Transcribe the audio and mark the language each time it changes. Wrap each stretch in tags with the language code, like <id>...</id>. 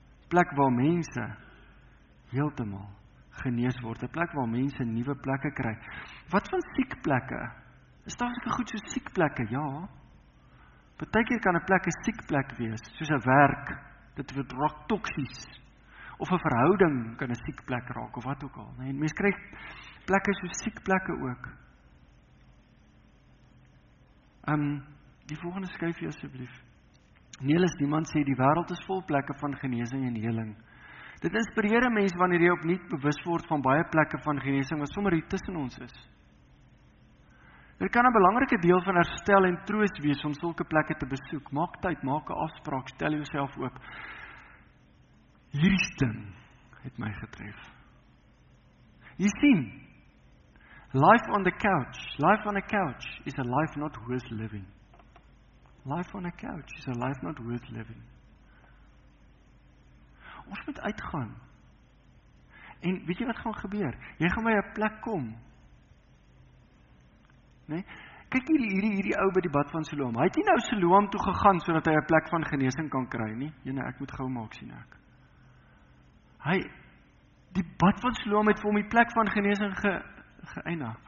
<af>Plek waar mense heeltemal genees word, een plek waar mense nuwe plekke kry. Wat van siek plekke? Is daar soos goed soos siek plekke? Ja. Partykeer kan 'n plek 'n siek plek wees, soos 'n werk, dit word raak toksies, of 'n verhouding kan 'n siek plek raak, of wat ook al. Nee, mens kry plekke soos siek plekke ook. Die volgende skyfie asseblief. Nelis, die man sê, die wêreld is vol plekke van genesing en heling. Dit inspireer een mens wanneer jy opnuut bewus word van baie plekke van genesing, wat sommer hier tussen ons is. Dit kan een belangrike deel van herstel en troost wees om sulke plekke te besoek. Maak tyd, maak een afspraak, stel jouself op. Hierdie ding het my getref. Jy sien,</af> <en>life on a couch is a life not worth living. Life on a couch is a life not worth living.</en> <af>Ons moet uitgaan. En weet jy wat gaan gebeur? Jy gaan by 'n plek kom. Nee? Kyk hierdie ou by die Bad van Siloam. Hy het nie nou Siloam toe gegaan sodat hy 'n plek van genesing kan kry nie. Jene, ek moet gou maak sien ek. Hy die Bad van Siloam het vir hom die plek van genesing geëindig.</af>